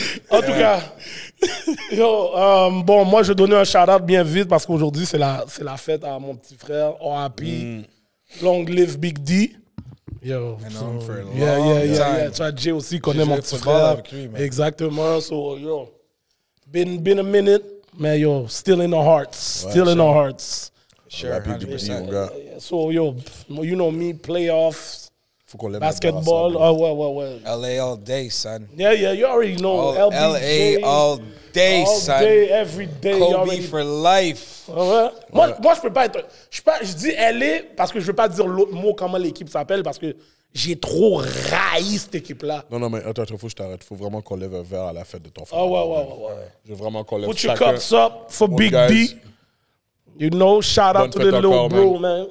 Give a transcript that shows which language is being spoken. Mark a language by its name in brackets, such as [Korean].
[French] En tout cas, yo, bon, moi, je vais donner un shout-out bien vite parce qu'aujourd'hui, c'est la fête à mon petit frère, [English] oh, happy, long live Big D. Yo, for a long time. [French] Jay aussi connaît mon petit frère. [English] Exactement, so, yo, been a minute, mais yo, still in our hearts. Sure, 100%. So, yo, you know me, playoffs. Basketball, ouais. L.A. all day, son. Yeah, you already know. All L.A. all day, son. All day, every day. Kobe for life. [French] Moi, je peux pas être... Je dis L.A. parce que je veux pas dire l'autre mot, comment l'équipe s'appelle, parce que j'ai trop raï cette équipe-là. Non, mais attends, faut que je t'arrête. Faut vraiment qu'on lève un verre à la fête de ton frère. Ouais. Je veux vraiment qu'on lève [English] chacun. Put your cups up for Big D. You know, shout out to the little bro, man.